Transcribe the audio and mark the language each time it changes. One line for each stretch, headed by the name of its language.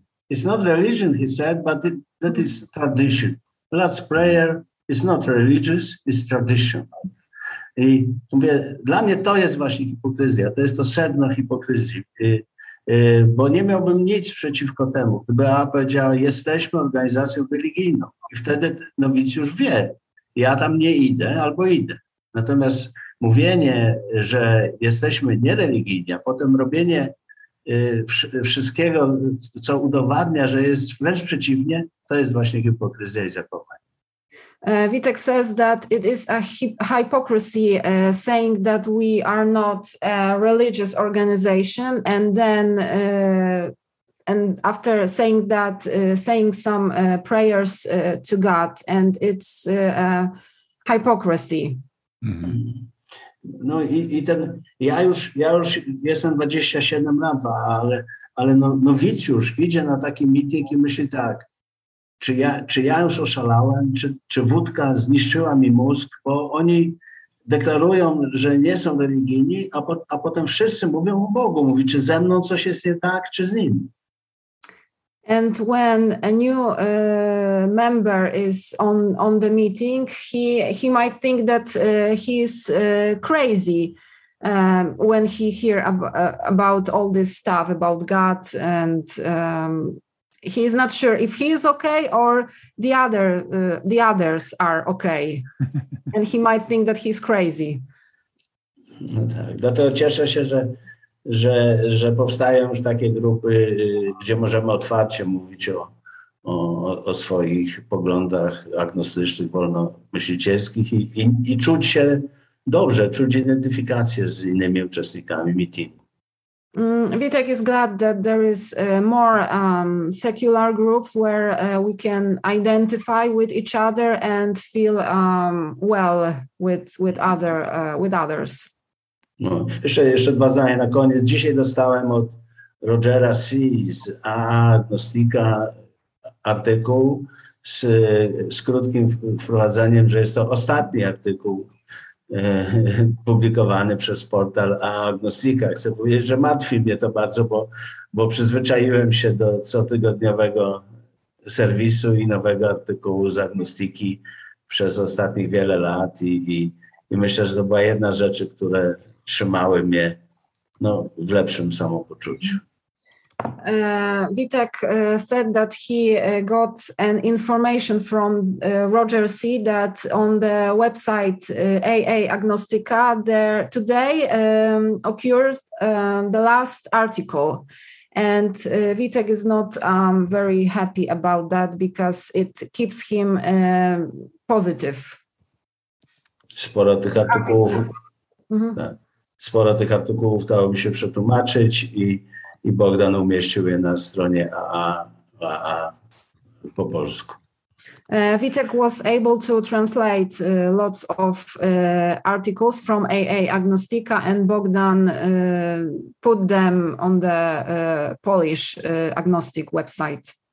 English: It's not religion, he said, but that is tradition. Lord's Prayer is not religious, it's tradition.
Polish: I mówię, dla mnie to jest właśnie hipokryzja, to jest to sedno hipokryzji. Bo nie miałbym nic przeciwko temu, gdyby AA powiedziała, jesteśmy organizacją religijną. I wtedy nowicjusz wie, ja tam nie idę albo idę. Natomiast mówienie, że jesteśmy niereligijni, a potem robienie wszystkiego, co udowadnia, że jest wręcz przeciwnie, to jest właśnie hipokryzja i zakłamanie.
English: Witek says that it is a hypocrisy saying that we are not a religious organization, and then and after saying that, saying some prayers to God, and it's a hypocrisy.
Polish: Mm-hmm. No i ten, ja już jestem 27 lat, ale nowicjusz idzie na taki meeting i myśli tak. Czy ja już oszalałem, czy wódka zniszczyła mi mózg, bo oni deklarują, że nie są religijni, a potem wszyscy mówią o Bogu. Mówi, czy ze mną coś jest nie tak, czy z nim.
English: And when a new member is on the meeting, he might think that he is crazy when he hear about all this stuff, about God and... He is not sure if he is okay or the others are okay. And he might think that he's crazy.
Polish: No tak. Dlatego cieszę się, że powstają już takie grupy, gdzie możemy otwarcie mówić o swoich poglądach agnostycznych, wolnomyślicielskich i czuć się dobrze, czuć identyfikację z innymi uczestnikami meetingu.
English: Witek is glad that there is more secular groups where we can identify with each other and feel well with others.
Polish: No, jeszcze dwa zdania na koniec. Dzisiaj dostałem od Rogera C. z Agnostika artykuł z krótkim wprowadzeniem, że jest to ostatni artykuł publikowany przez portal Agnostika. Chcę powiedzieć, że martwi mnie to bardzo, bo przyzwyczaiłem się do cotygodniowego serwisu i nowego artykułu z Agnostiki przez ostatnich wiele lat i myślę, że to była jedna z rzeczy, które trzymały mnie w lepszym samopoczuciu.
English: Witek said that he got an information from Roger C. that on the website AA Agnostica there today occurred the last article, And Witek is not very happy about that because it keeps him positive.
Polish: Sporo tych artykułów. Sporo tych artykułów dało mi się przetłumaczyć i Bogdan umieścił je na stronie AA po polsku.
English: Witek was able to translate lots of articles from AA Agnostica, and Bogdan put them on the Polish Agnostic website.